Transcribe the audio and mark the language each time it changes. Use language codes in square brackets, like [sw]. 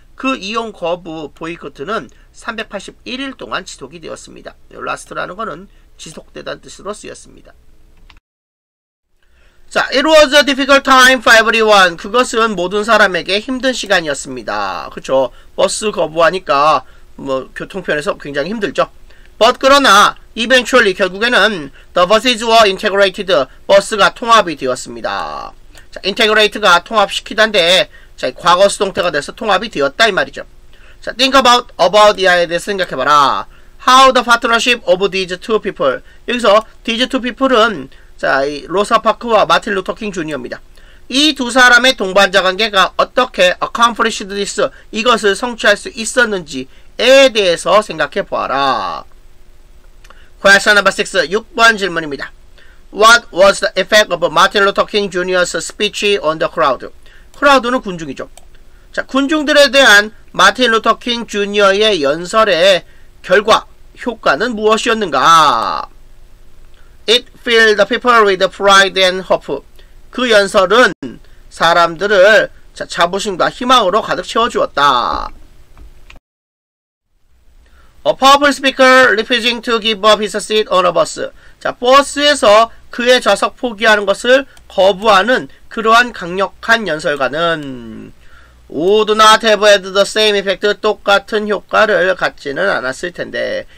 [ko] 그 이용 거부 보이콧은 381일 동안 지속이 되었습니다. last라는 거는 지속되다는 뜻으로 쓰였습니다. [en] 자, it was a difficult time for everyone. [ko] 그것은 모든 사람에게 힘든 시간이었습니다. 그렇죠. 버스 거부하니까 뭐 교통편에서 굉장히 힘들죠. [en] But [ko] 그러나 [en] eventually [ko] 결국에는 [en] the buses were integrated. [ko] 버스가 통합이 되었습니다. 자, integrate가 통합시키다인데 자, 과거 수동태가 돼서 통합이 되었다 이 말이죠. [en] 자, think about the idea [ko] 생각해봐라. [en] How the partnership of these two people. [ko] 여기서 [en] these two people [ko] 은 자, 이 로사 파크와 마틴 루터 킹 주니어입니다. 이 두 사람의 동반자 관계가 어떻게 [en] accomplished this, [ko] 이것을 성취할 수 있었는지에 대해서 생각해보아라. [en] Question number 6, [ko] 6번 질문입니다. [en] What was the effect of Martin Luther King Jr.'s speech on the crowd? [ko] 크라우드는 군중이죠. 자, 군중들에 대한 Martin Luther King Jr.의 연설의 결과, 효과는 무엇이었는가? [en] It filled the people with pride and hope. [ko] 그 연설은 사람들을 자부심과 희망으로 가득 채워주었다. [en] A powerful speaker refusing to give up his seat on a bus. [ko] 자, 버스에서 그의 좌석 포기하는 것을 거부하는 그러한 강력한 연설가는 [en] would not have had the same effect, [ko] 똑같은 효과를 갖지는 않았을 텐데.